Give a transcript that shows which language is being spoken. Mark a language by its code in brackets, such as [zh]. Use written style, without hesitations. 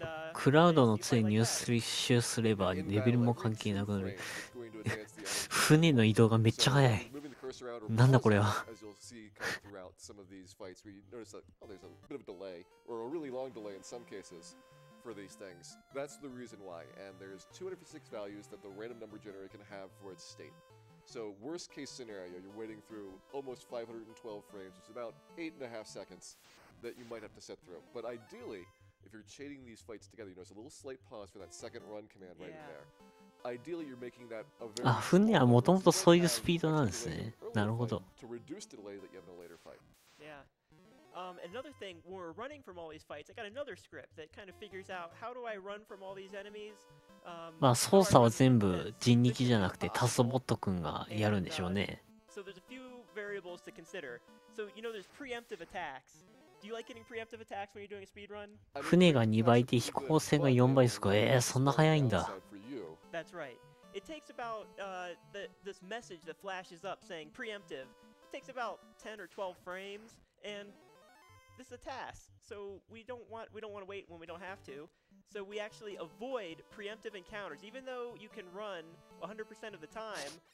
[en] That's the reason why, and there's 256 values that the random number generator can have for its state. So, worst case scenario, you're waiting through almost 512 frames, which is about 8.5 seconds that you might have to set through. But ideally, if you're chaining these fights together, you know, it's a little slight pause for that second run command right in there. Ideally, you're making that a very [ja] あ、船はもともとそういうスピードなんですね。なるほど。 [en] To reduce the delay that you have in a later fight. Yeah. Another thing, when we're running from all these fights, I got another script that kind of figures out how do I run from all these enemies. [ja] まあ、操作は全部人力じゃなくてタスボット君がやるんでしょうね。 [en] So there's a few variables to consider. So, you know, there's preemptive attacks. Do you like getting preemptive attacks when you're doing a speed run? [ja] 船が2倍で飛行船が4倍ですか。そんな速いんだ。 [en] That's right. It takes about this message that flashes up saying preemptive. It takes about 10 or 12 frames, and this is a task. So we don't want to wait when we don't have to. So we actually avoid preemptive encounters, even though you can run 100% of the time.